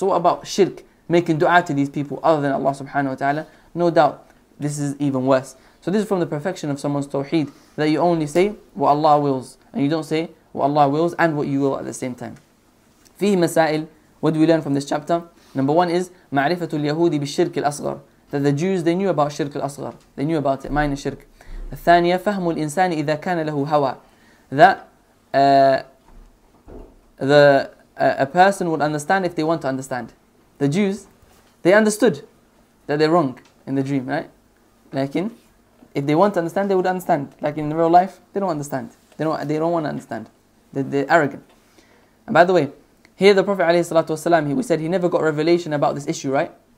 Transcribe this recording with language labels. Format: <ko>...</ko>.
<en>So what about shirk, making dua to these people other than Allah subhanahu wa ta'ala? No doubt this is even worse. So this is from the perfection of someone's tawheed, that you only say what Allah wills, and you don't say what Allah wills and what you will at the same time.</en> <ar>فيه مسائل.</ar> <en>What do we learn from this chapter? Number one is</en> <ar>معرفة اليهود بالشرك الأصغر.</ar> <en>That the Jews, they knew about shirk al-asghar. They knew about it, minor shirk.</en> <ar>الثانية فهم الإنسان إذا كان له هوى.</ar> <en>That a person would understand if they want to understand. The Jews, they understood that they're wrong in the dream, right? Lakin, if they want to understand, they would understand. Like in real life, they don't understand. They don't want to understand. They're arrogant. And by the way, here the Prophet alayhi salatu wasalam, we said he never got revelation about this issue, right?</en>